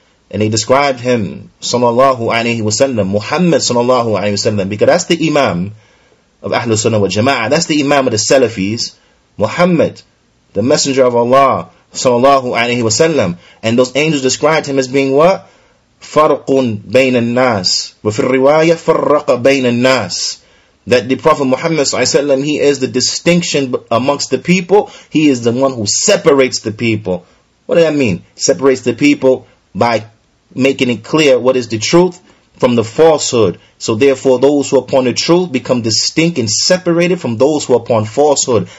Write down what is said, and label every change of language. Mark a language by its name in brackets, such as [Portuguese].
[English] And they described him, sallallahu alayhi wa sallam, Muhammad sallallahu alayhi wa sallam, because that's the Imam of Ahlul Sunnah wa Jama'ah. That's the Imam of the Salafis, Muhammad, the Messenger of Allah, sallallahu alayhi wa sallam. And those angels described him as being what? [Arabic] Farqun bayn al-nas. وفي الرواية فرق بين الناس. [English] That the Prophet Muhammad sallallahu alayhi wa sallam, he is the distinction amongst the people. He is the one who separates the people. What does that mean? Separates the people by making it clear what is the truth from the falsehood. So therefore, those who are upon the truth become distinct and separated from those who are upon falsehood.